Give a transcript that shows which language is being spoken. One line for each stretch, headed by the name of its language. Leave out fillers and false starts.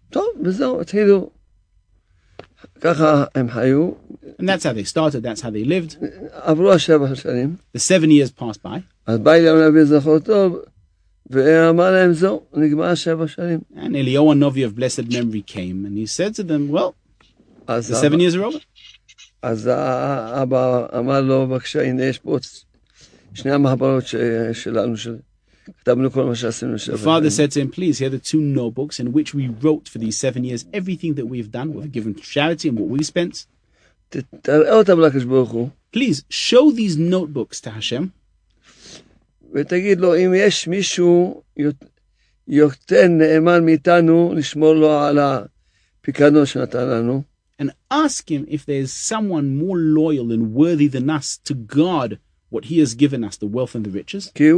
English: And that's how they started, that's how they lived. The 7 years passed by. And Eliyahu Novi of blessed memory came and he said to them, well, the 7 years are over.
Hebrew: אז אבא אמר לו, בבקשה, הנה יש פה שני המעברות שלנו, שכתבנו כל מה שעשינו.
English: The father said to him, please, here are the two notebooks in which we wrote for these 7 years, everything that we've done, we've given charity and what we've spent.
Hebrew: תראה אותם לקדוש ברוך הוא.
English: Please, show these notebooks to Hashem.
Hebrew: ותגיד לו, אם יש מישהו יותר נאמן מאיתנו, לשמור לו על הפיקדון שנתן לנו.
English: And ask him if there is someone more loyal and worthy than us to guard what he has given us, the wealth and the riches.